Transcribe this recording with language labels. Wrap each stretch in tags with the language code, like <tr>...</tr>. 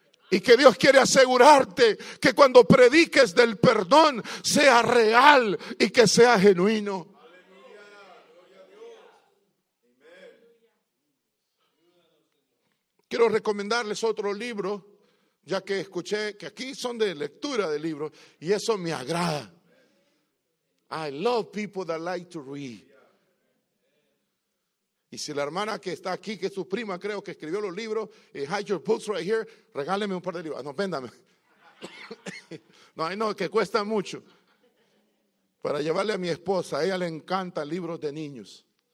<es>Y que Dios quiere asegurarte que cuando prediques del perdón sea real y que sea genuino. Quiero recomendarles otro libro, ya que escuché que aquí son de lectura de libros y eso me agrada.</es> <en>I love people that like to read.</en> <es>Y si la hermana que está aquí, que es su prima, creo que escribió los libros,</es> <en>hide your books right here,</en> <es>regáleme un par de libros. No, véndame. No, no, que cuesta mucho. Para llevarle a mi esposa, a ella le encantan libros de niños.</es>